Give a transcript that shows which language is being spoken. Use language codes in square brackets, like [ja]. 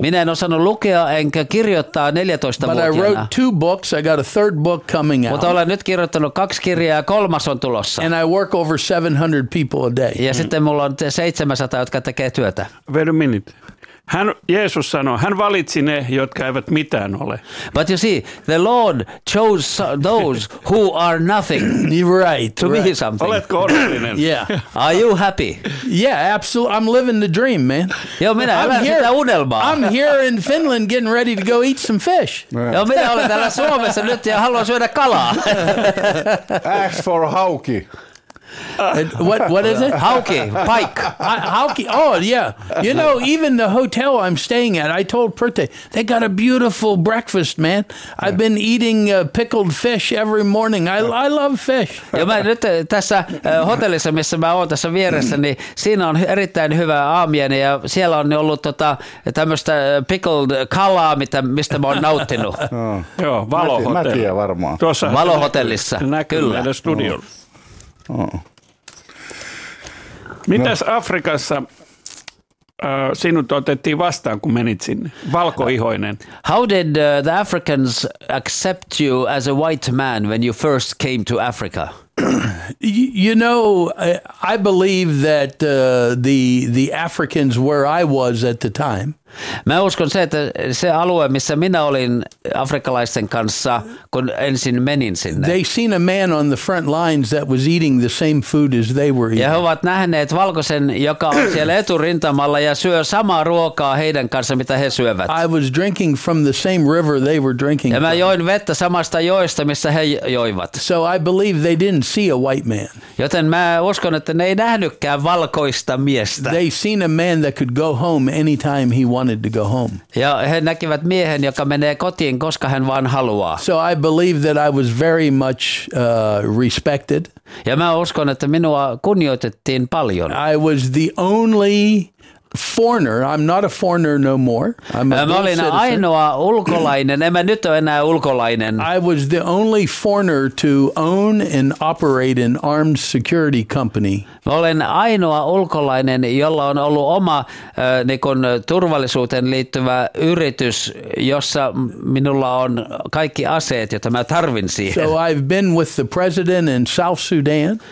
[fi] Minä en osannut lukea enkä kirjoittaa 14-vuotiaana. [en] But I wrote two books. I got a third book coming out. [fi] Mutta olen nyt kirjoittanut kaksi kirjaa ja kolmas on tulossa. [en] And I work over 700 people a day. [fi] Ja sitten mulla on 700, jotka tekee työtä. [en] Wait a minute. [fi] Hän, Jeesus sanoi, hän valitsi ne, jotka eivät mitään ole. [en] But you see, the Lord chose those who are nothing. Right. To right. be something. [fi] Oletko onnellinen? [en] Yeah. Are you happy? Yeah, absolutely. I'm living the dream, man. [fi] Joo, minä elän sitä unelmaa. [en] I'm here in Finland getting ready to go eat some fish. Right. [fi] Joo, minä olen täällä Suomessa nyt ja haluan syödä kalaa. [en] Ask for Hauki. What is it? [fi] Hauki, Pike. [en] Hauki, oh, yeah. You know, even the hotel I'm staying at, I told Perte, they got a beautiful breakfast, man. I've been eating pickled fish every morning. I love fish. [fi] Ja mä nyt tässä hotellissa, missä mä oon tässä vieressä, niin siinä on erittäin hyvä aamiaine, ja siellä on ollut tämmöistä pickled kalaa, mistä mä oon nauttinut. Joo, Valohotelli. Mä tiedän varmaan. Tuossa Valohotellissa, kyllä. Näkyy studiolla. Mitäs no. Afrikassa sinut otettiin vastaan, kun menit sinne, valkoihoinen? [en] How did the Africans accept you as a white man when you first came to Africa? You know, I believe that the Africans where I was at the time. [fi] Mä uskon se, että se alue, missä minä olin afrikkalaisten kanssa, kun ensin menin sinne. [en] They seen a man on the front lines that was eating the same food as they were eating. [fi] Ja he ovat nähneet valkoisen, joka on siellä eturintamalla ja syö samaa ruokaa heidän kanssa, mitä he syövät. [en] I was drinking from the same river they were drinking. [fi] Ja mä join vettä samasta joesta, missä he joivat. [en] So I believe they didn't see a white man. [fi] Joten mä uskon, että ne ei nähnytkään valkoista miestä. [en] They seen a man that could go home anytime he wanted to go home. [fi] Ja he näkivät miehen, joka menee kotiin, koska hän vaan haluaa. [en] So I believe that I was very much respected. [fi] Ja mä uskon, että minua kunnioitettiin paljon. [en] I was the only foreigner. I'm not a foreigner no more. [fi] Mä olin ainoa ulkolainen. En mä nyt ole enää ulkolainen. [en] I was the only foreigner to own and operate an armed security company. [fi] Mä olen ainoa ulkolainen, jolla on ollut oma turvallisuuteen liittyvä yritys, jossa minulla on kaikki aseet, joita mä tarvin siihen. [en] So I've been with the president in South Sudan.